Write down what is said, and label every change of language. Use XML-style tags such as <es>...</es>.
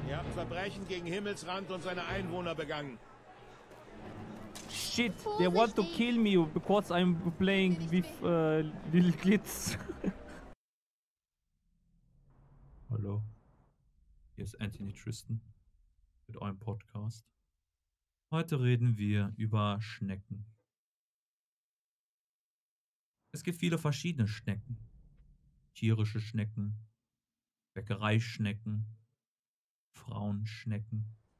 <de>Ihr habt Verbrechen gegen Himmelsrand und seine Einwohner begangen.</de> <en>Shit, they want to kill me because I'm playing with little kids.</en> <de>Hallo, hier ist Anthony Tristan mit eurem Podcast. Heute reden wir über Schnecken. Es gibt viele verschiedene Schnecken. Tierische Schnecken, Bäckereischnecken, Frauenschnecken.</de>